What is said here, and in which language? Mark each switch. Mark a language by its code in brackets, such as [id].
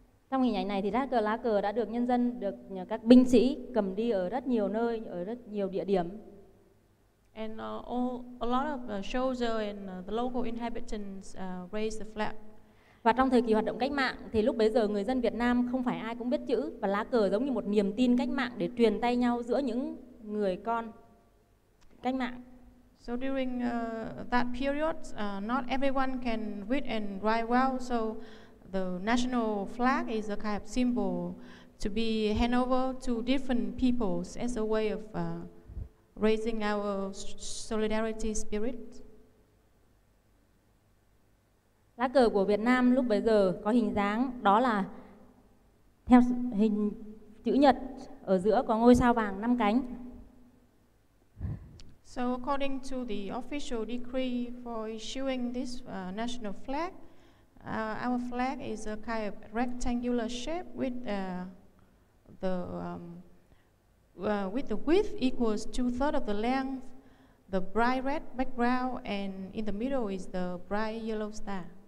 [vi] Trong hình ảnh này thì rác cờ, lá cờ đã được nhân dân, được các binh sĩ cầm đi ở rất nhiều nơi, ở rất nhiều địa điểm. [en] And a lot of soldiers and the local inhabitants raised the flag. [vi] Và trong thời kỳ hoạt động cách mạng thì lúc bấy giờ người dân Việt Nam không phải ai cũng biết chữ, và lá cờ giống như một niềm tin cách mạng để truyền tay nhau giữa những người con cách mạng. [en] So during that period, not everyone can read and write well, so the national flag is a kind of symbol to be handed over to different peoples as a way of raising our solidarity spirit. [vi] Lá cờ của Việt Nam lúc bấy giờ có hình dáng đó là theo hình chữ nhật, ở giữa có ngôi sao vàng 5 cánh. [en] So according to the official decree for issuing this national flag, our flag is a kind of rectangular shape with the width equals 2/3 of the length, the bright red background, and in the middle is the bright yellow star.